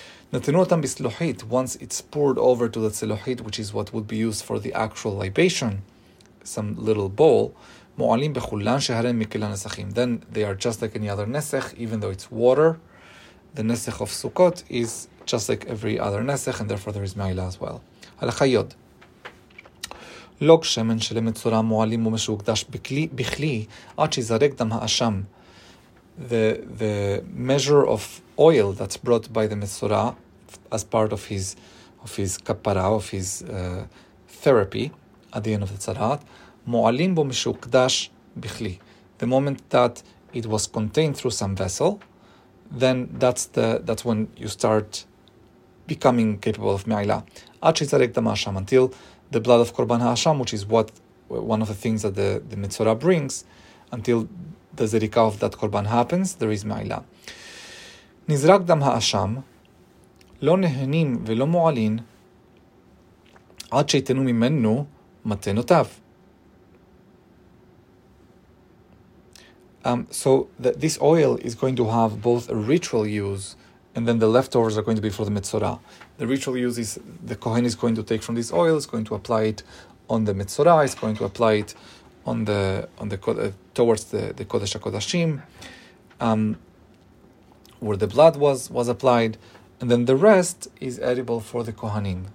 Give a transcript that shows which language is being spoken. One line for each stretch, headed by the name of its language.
Hebrew: Natenu otam bisluchit,
English: once it's poured over to the tzeluchit, which is what would be used for the actual libation, some little bowl,
Hebrew: מועלים בכולן שהרן מכל הנסחים.
English: Then they are just like any other nesach, even though it's water. The nesach of Sukkot is just like every other nesach, and therefore there is me'ilah as well.
Hebrew: הלכה יוד. לוק שמן של המצורע מועלים ומשהוקדש בכלי עד שיזרק דם האשם.
English: The measure of oil that's brought by the מצורע as part of his kapara, of his therapy, at the end of the tzara'at, מועלים בו משוקדש בכלי. The moment that it was contained through some vessel, then that's when you start becoming capable of me'ila.
Hebrew: עד שיצרק דם האשם,
English: until the blood of korban האשם, which is what one of the things that the mitzvah brings, until the zerika of that korban happens, there is me'ila.
Hebrew: נזרק דם האשם, לא נהנים ולא מועלים, עד שיתנו ממנו מתנותיו.
English: So that this oil is going to have both a ritual use, and then the leftovers are going to be for the metzora. The ritual use is the kohen is going to take from this oil, is going to apply it on the metzora, is going to apply it towards the kodesh hakodashim, where the blood was applied, and then the rest is edible for the kohanim.